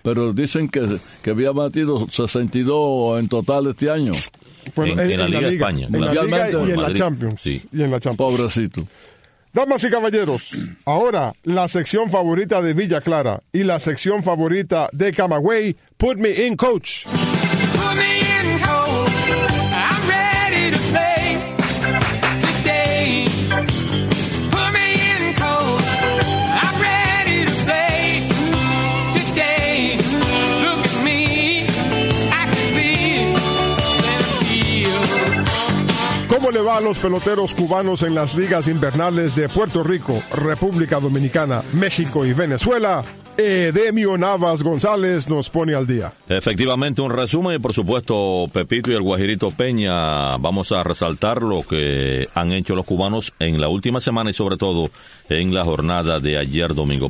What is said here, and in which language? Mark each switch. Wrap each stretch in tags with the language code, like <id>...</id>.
<es>Pero dicen que había batido 62 en total este año. Bueno, en la Liga de España. En la Liga y en la Champions. Sí. Y en la Champions. Pobrecito. Damas y caballeros, ahora la sección favorita de Villa Clara y la sección favorita de Camagüey, Put Me In Coach.</es> <en>Put me in coach, I'm ready to play today. Put me in coach, I'm ready to play today. Look at me, I can be centerfield.</en> <es>¿Cómo le va a los peloteros cubanos en las ligas invernales de Puerto Rico, República Dominicana, México y Venezuela? Edemio Navas González nos pone al día. Efectivamente, un resumen, y por supuesto, Pepito y el Guajirito Peña, vamos a resaltar lo que han hecho los cubanos en la última semana y sobre todo en la jornada de ayer domingo.</es>